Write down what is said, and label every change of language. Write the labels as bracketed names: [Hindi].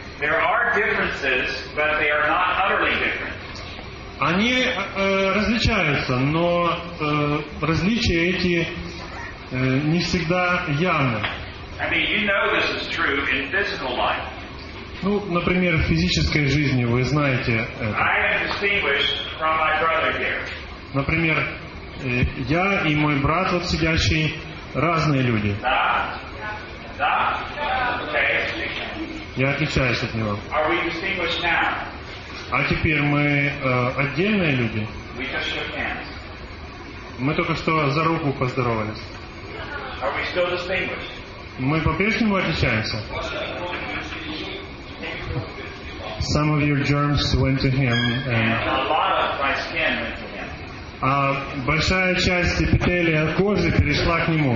[English] There are differences, but they are not utterly different. [Russian] Они различаются, но различия эти не всегда явны. [English] I mean, you know this is true in physical life. [Russian] Ну, например, в физической жизни вы знаете это. Например, я и мой брат, вот сидящий, разные люди. Да. Да. Okay. Я отличаюсь от него. [English] Are we distinguished now? [Russian] А теперь мы отдельные люди? [English] We just shook hands. [Russian] Мы только что за руку поздоровались. [English] Are we still distinguished? [Russian] Мы по-прежнему отличаемся? [English] Some of your germs went to him, and a lot of my skin went to him. [Russian] А большая часть эпителия от кожи перешла к нему.